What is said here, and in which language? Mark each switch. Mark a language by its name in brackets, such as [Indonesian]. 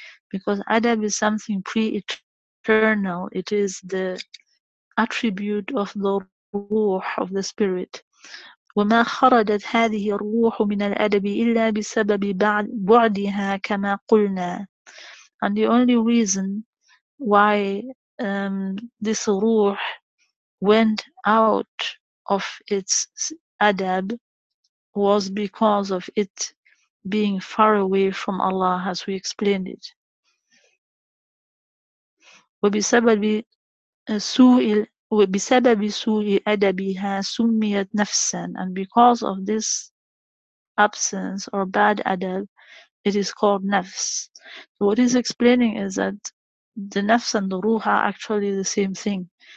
[English] Because adab is something pre-eternal; it is the attribute of the روح of the spirit. [Arabic] وما خرجت هذه الروح من الأدب إلا بسبب بعدها كما قلنا. [English] And the only reason why this ruh went out of its adab was because of it being far away from Allah, as we explained it. [Arabic] وبسبب سوء وبسبب سوء أدبها سميت نفسا. [English] And because of this absence or bad adab, it is called nafs. So what he's explaining is that the nafs and the ruha are actually the same thing.